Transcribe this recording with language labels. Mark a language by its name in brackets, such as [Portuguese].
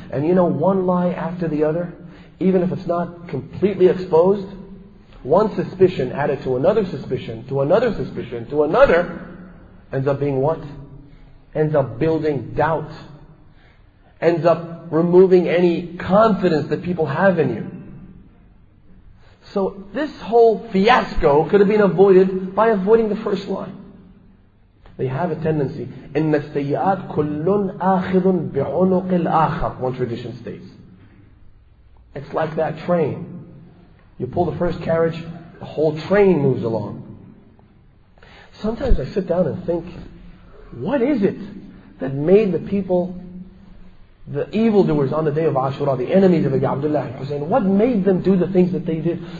[English] And you know, one lie after the other, even if it's not completely exposed, one suspicion added to another suspicion, to another suspicion, to another, ends up being what? Ends up building doubt. Ends up removing any confidence that people have in you. So this whole fiasco could have been avoided by avoiding the first lie. They have a tendency. [Arabic] إِنَّ السَّيِّئَاتِ كُلٌّ آخِذٌ بِعُنُقِ الْآخَرِ [English] One tradition states. It's like that train. You pull the first carriage, the whole train moves along. Sometimes I sit down and think, what is it that made the people, the evildoers on the day of Ashura, the enemies of Abdullah al-Hussein, what made them do the things that they did?